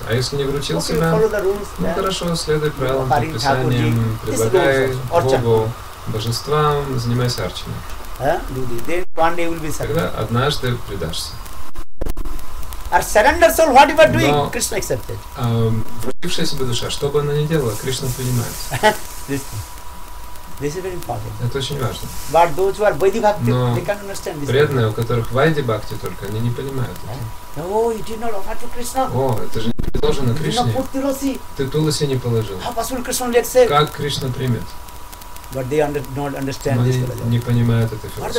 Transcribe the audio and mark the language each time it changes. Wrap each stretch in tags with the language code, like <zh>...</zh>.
<ru>А если не вручил себя, ну хорошо, следуй правилам, предписаниям, предлагай Богу, божествам, занимайся арчаной. Тогда однажды предашься.</ru> <en>Our surrender soul, whatever doing,</en> <ru>но,</ru> <en>Krishna accepted.</en> <ru>Вручившая себя душа, что бы она ни делала, Кришна принимает.</ru> <en>This is very important.</en> <ru>Это очень важно.</ru> <en>But those who are Vaidhi Bhakti,</en> <ru>но</ru> <en>they can't understand this.</en> <ru>Преданные, у которых Vaidhi Bhakti только, они не понимают этого.</ru> <en>Oh, you did not offer to Krishna.</en> <ru>О, это же не предложено Кришне.</ru> <en>You did not put tulasi.</en> <ru>Ты туласи не положил.</ru> <en>How possible Krishna will accept?</en> <ru>Как Кришна примет?</ru> <en>But they not understand this.</en> <ru>Не понимают этой философии.</ru>